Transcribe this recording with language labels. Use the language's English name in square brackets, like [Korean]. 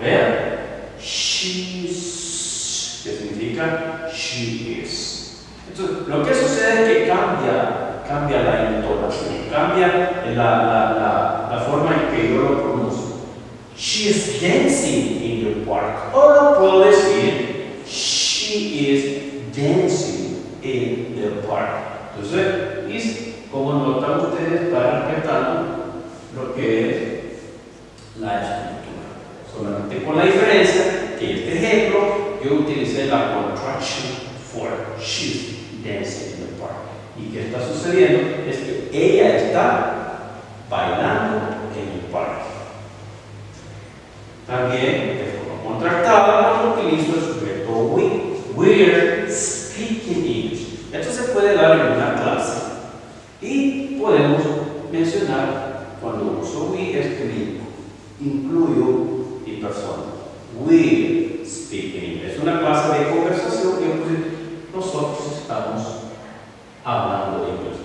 [Spanish] Vean, she's, que significa [English] she is. [Spanish] Entonces, lo que sucede es que cambia la entonación, cambia la forma en que yo lo pronuncio. [English] She is dancing in the park. [Spanish] O lo puedo decir, [English] she is dancing in the park. [Spanish] Entonces, is, como notan ustedes, está respetando lo que es la estructura. Solamente con la diferencia que en este ejemplo yo utilicé la [English] contraction for she is dancing in the park. [Spanish] ¿Y qué está sucediendo? Es que ella está bailando en el parque. También, de forma contractada, utilizo el sujeto we. [English] We are speaking English. [Spanish] Esto se puede dar en una clase. Y podemos mencionar, cuando uso we, es que me incluyo mi persona. [English] We are speaking English. [Spanish] Es una clase de conversación que nosotros estamos hablando de inglés.